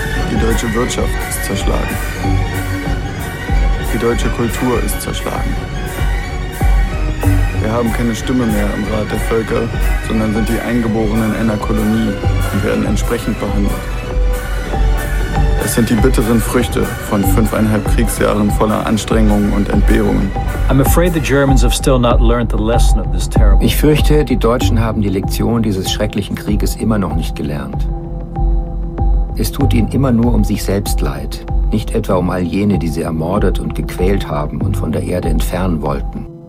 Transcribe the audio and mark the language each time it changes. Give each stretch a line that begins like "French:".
German: Die deutsche Wirtschaft ist zerschlagen. Die deutsche Kultur ist zerschlagen. Wir haben keine Stimme mehr im Rat der Völker, sondern sind die Eingeborenen einer Kolonie und werden entsprechend behandelt. Es sind die bitteren Früchte von 5,5 Kriegsjahren voller Anstrengungen und Entbehrungen.
English: I'm afraid the Germans have still not learned the lesson of this terrible.
German: Ich fürchte, die Deutschen haben die Lektion dieses schrecklichen Krieges immer noch nicht gelernt. Es tut ihnen immer nur um sich selbst leid, nicht etwa um all jene, die sie ermordet und gequält haben und von der Erde entfernen wollten.